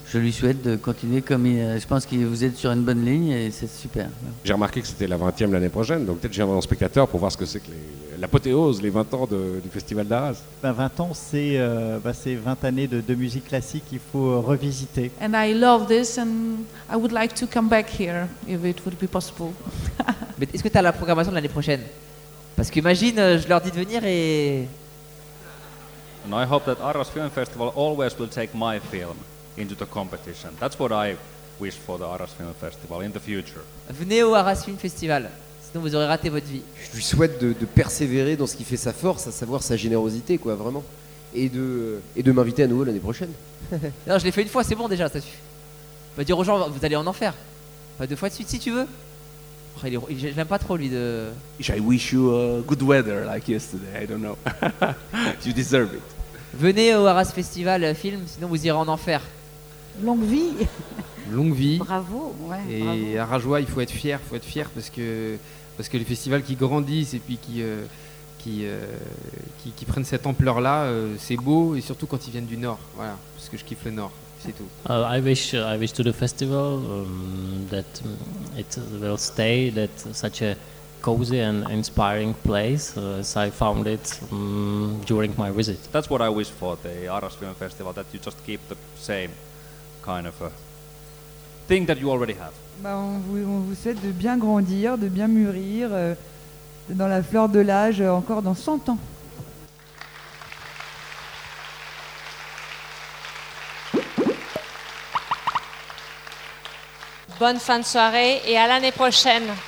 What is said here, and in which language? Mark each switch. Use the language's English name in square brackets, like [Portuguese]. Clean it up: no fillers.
[French] Je lui souhaite de continuer comme je pense que vous êtes sur une bonne ligne et c'est super. J'ai remarqué que c'était la 20e l'année prochaine. Donc peut-être que j'irai en spectateur pour voir ce que c'est que l'apothéose, les 20 ans du festival d'Arras. Ben 20 ans, c'est 20 années de musique classique qu'il faut revisiter. [English] And I love this and I would like to come back here if it would be possible. [French] Mais est-ce que tu as la programmation de l'année prochaine? Parce qu'imagine, je leur dis de venir et... [English] And I hope that Arras Film Festival always will take my film into the competition. That's what I wish for the Arras Film Festival in the future. [French] Venez au Arras Film Festival. Sinon, vous aurez raté votre vie. Je lui souhaite de persévérer dans ce qui fait sa force, à savoir sa générosité, quoi, vraiment. Et de m'inviter à nouveau l'année prochaine. Non, je l'ai fait une fois, c'est bon déjà, ça suffit. Va dire aux gens, vous allez en enfer. Pas deux fois de suite, si tu veux. Après, je l'aime pas trop, lui, de... [English] I wish you good weather, like yesterday, I don't know. You deserve it. [French] Venez au Arras Festival Film, sinon vous irez en enfer. Longue vie. Longue vie. Bravo, ouais. Et bravo. Arrajois, il faut être fier parce que les festivals qui grandissent et puis qui prennent cette ampleur là, c'est beau et surtout quand ils viennent du nord, voilà, parce que je kiffe le nord, c'est tout. [English] I wish to the festival that it will stay, that such a cozy and inspiring place as I found it during my visit. That's what I wish for the Arras Film Festival, that you just keep the same kind of a thing that you already have. [French] Bah on vous souhaite de bien grandir, de bien mûrir dans la fleur de l'âge encore dans 100 ans. Bonne fin de soirée et à l'année prochaine.